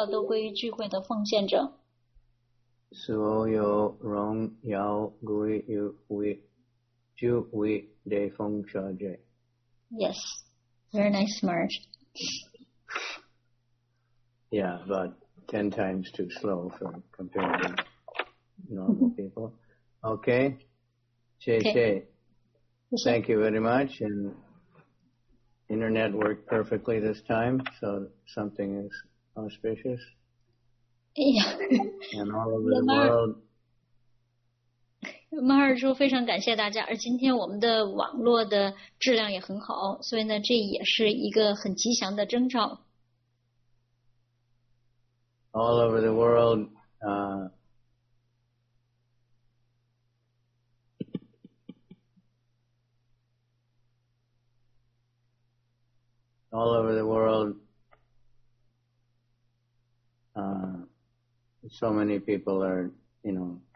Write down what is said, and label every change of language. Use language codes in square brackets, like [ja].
[zh] 所有的荣耀都归于聚会的奉献者。 [en] Yes, very nice, Marge. Yeah, about 10 times too slow for compared to normal people. Okay. Okay. Thank you very much. And internet worked perfectly this time, so something is auspicious. Yeah. And all over the world. [zh] Mar 说非常感谢大家，而今天我们的网络的质量也很好，所以呢，这也是一个很吉祥的征兆。 [en] All over the world, all over the world, so many people are, you know.